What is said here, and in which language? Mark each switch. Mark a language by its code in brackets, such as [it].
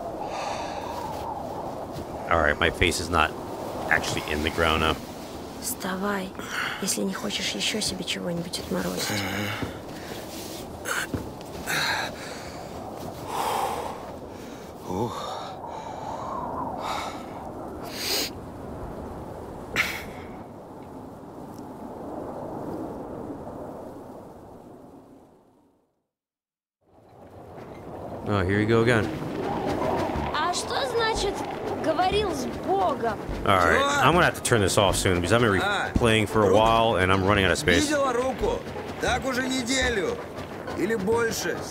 [en] All right, my face is not actually in the ground now. [ru] Вставай, если не хочешь еще себе чего-нибудь отморозить. Ух. [en] Oh, here you go again. [ru] А что значит говорил с Богом? [en] All right, I'm gonna have to turn this off soon because I've been playing for a while and I'm running out of space. [ru] Видела руку? Так уже неделю или больше?